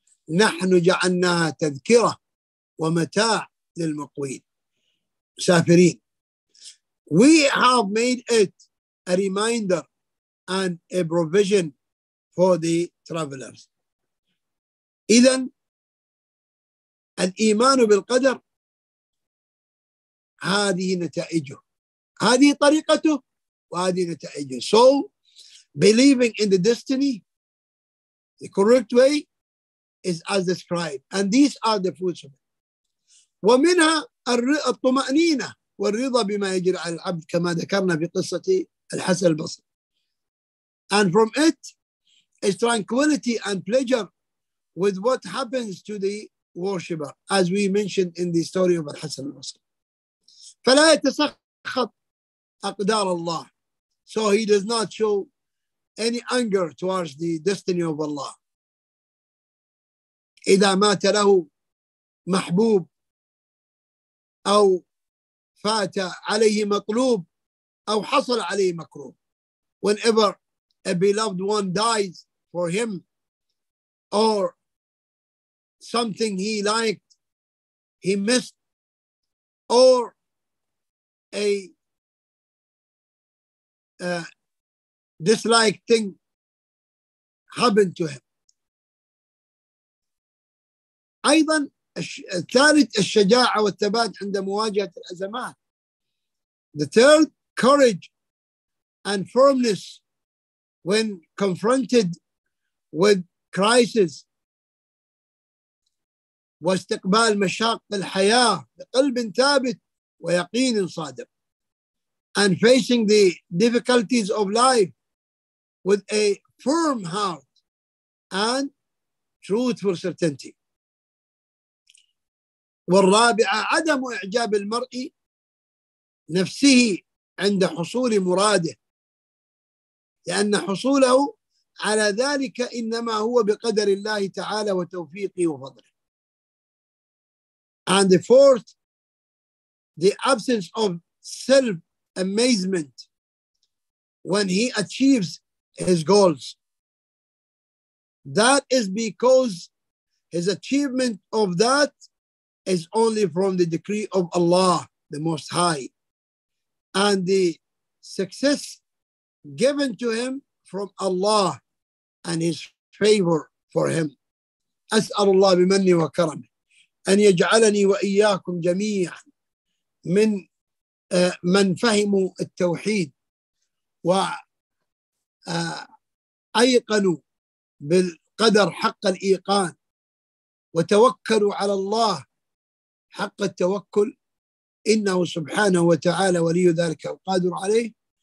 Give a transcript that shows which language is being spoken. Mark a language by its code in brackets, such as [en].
[ar] نحن جعلناها تذكرة ومتاع للمقوين. مسافرين. [en] We have made it a reminder and a provision for the travelers. [ar] إذن الإيمان بالقدر هذه نتائجه. هذه طريقته وهذه نتائجه. [en] So, believing in the destiny, the correct way is as described. And these are the fruits of it. [ar] ومنها الطمأنينة والرضا بما يجري على العبد كما ذكرنا في قصة الحسن البصري. [en] And from it is tranquility and pleasure with what happens to the worshipper, as we mentioned in the story of الحسن البصري. [ar] فلا يتسخط أقدار الله. [en] So he does not show any anger towards the destiny of Allah. [ar] إذا مات له محبوب أو فات عليه مطلوب أو حصل عليه مكروه. [en] Whenever a beloved one dies for him or something he liked, he missed, or a disliked thing happened to him. [ar] أيضا الثالث الشجاعة والثبات عند مواجهة الأزمات. [en] The third, courage and firmness when confronted with crisis. [ar] واستقبال مشاق الحياة بقلب ثابت ويقين صادق. [en] And facing the difficulties of life with a firm heart and truth for certainty. [ar] والرابعة عدم إعجاب المرء نفسه عند حصول مراده، لأن حصوله على ذلك إنما هو بقدر الله تعالى وتوفيقه وفضله. [en] And the fourth, the absence of self-amazement when he achieves his goals. That is because his achievement of that is only from the decree of Allah, the Most High. And the success given to him from Allah and his favor for him. [ar] أسأل الله بمنه وكرمه أن يجعلني وإياكم جميعا من من فهموا التوحيد وأيقنوا بالقدر حق الإيقان وتوكلوا على الله حق التوكل، إنه سبحانه وتعالى ولي ذلك وقادر عليه.